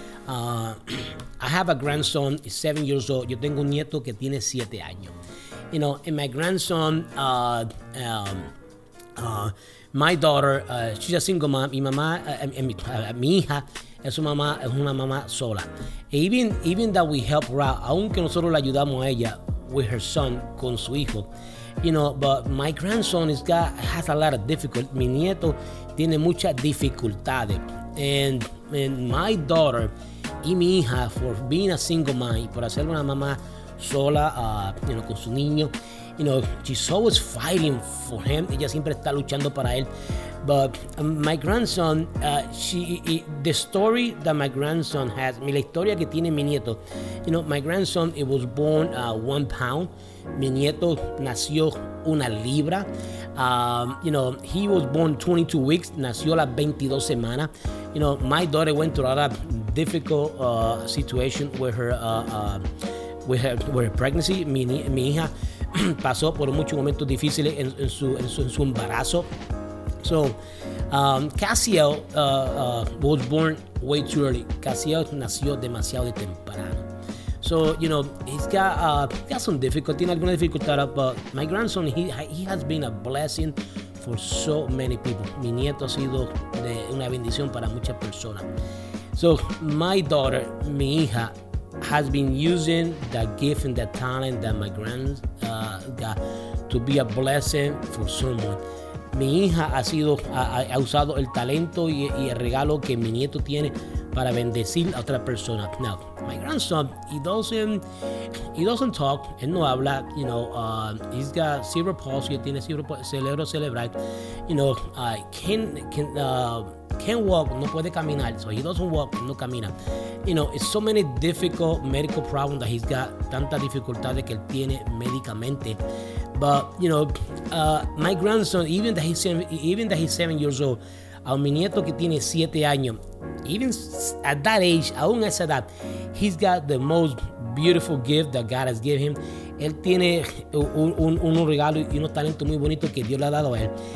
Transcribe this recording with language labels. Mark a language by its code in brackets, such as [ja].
[en] I have a grandson, he's 7 years old. [es] Yo tengo un nieto que tiene 7 años. [en] You know, and my grandson, my daughter, she's a single mom. [es] Mi mamá, mi hija. Es una mamá sola. [en] Even that we help her out, [es] aunque nosotros la ayudamos a ella [en] with her son, [es] con su hijo. [en] You know, but my grandson has a lot of difficulties. [es] Mi nieto tiene muchas dificultades. [en] And my daughter [es] y mi hija, [en] for being a single mom [es] y por hacer una mamá sola, [en] you know, [es] con su niño, [en] you know, she's always fighting for him. [es] Ella siempre está luchando para él. [en] But my grandson, the story that my grandson has, [es] la historia que tiene mi nieto, [en] you know, my grandson, it was born 1 pound. [es] Mi nieto nació una libra. [en] You know, he was born 22 weeks, [es] nació las 22 semanas. [en] You know, my daughter went through a lot of difficult situation with her, pregnancy. [es] Mi hija pasó por muchos momentos difíciles en su embarazo. [en] So, Cassiel was born way too early. [es] Cassiel nació demasiado de temprano. [en] So, you know, he's got some difficulty. [es] Tiene alguna dificultad, [en] but my grandson, he has been a blessing for so many people. [es] Mi nieto ha sido de una bendición para muchas personas. [en] So, my daughter, [es] mi hija, [en] has been using that gift and that talent that my grandson got to be a blessing for someone. [es] Mi hija ha usado el talento y el regalo que mi nieto tiene para bendecir a otra persona. [en] Now, my grandson, he doesn't talk, [es] él no habla, [en] you know, he's got cerebral palsy, [es] tiene cerebro cerebral, [en] you know, can't walk, [es] no puede caminar, [en] so he doesn't walk, [es] no camina. [en] You know, it's so many difficult medical problems that he's got, [es] tantas dificultades que él tiene médicamente. [en] But, you know, my grandson, even that he's 7 years old, [es] a mi nieto que tiene 7 años, [en] even at that age, [es] aún a esa edad, [en] he's got the most beautiful gift that God has given him. [es] Él tiene un regalo y un talento muy bonito que Dios le ha dado a él.